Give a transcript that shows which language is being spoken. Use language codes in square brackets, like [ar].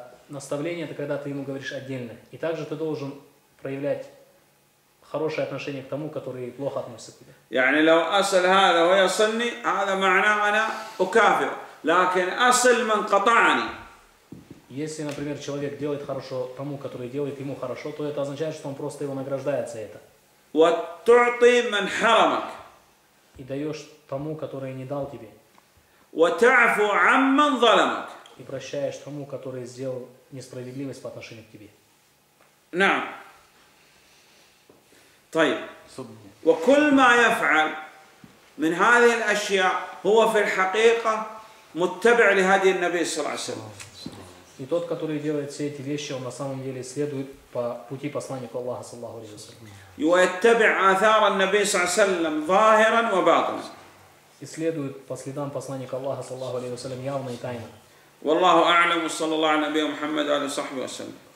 [ru] Наставление это когда ты ему говоришь отдельно. И также ты должен проявлять хорошее отношение к тому, который плохо относится к тебе. [ar] يعني لو أصل هذا ويصلني هذا معناه أنا أكافر. لكن أصل من قطعني. [ru] Если, например, человек делает хорошо тому, который делает ему хорошо, то это означает, что он просто его награждает за это. [ar] وتعطي من حرمك. [ru] И даешь тому, который не дал тебе. [ar] وتعفو عمن ظلمك. [ru] И прощаешь тому, который сделал несправедливость по отношению к тебе. [ar] نعم. طيب. وكل ما يفعل من هذه الأشياء هو في الحقيقة متبع لهدي النبي صلى الله عليه وسلم. [ru] И тот, который делает все эти вещи, он на самом деле следует по пути посланнику Аллаха, саллаллаху алейхи ва саллям. [ar] يتبع آثار النبي صلى الله عليه وسلم ظاهرا وباطنا. [ru] И следует по следам посланника Аллаха, саллаллаху алейхи ва саллям, явно и тайно. [ar] والله أعلم صلى الله على نبينا محمد وعلى صحبه وسلم.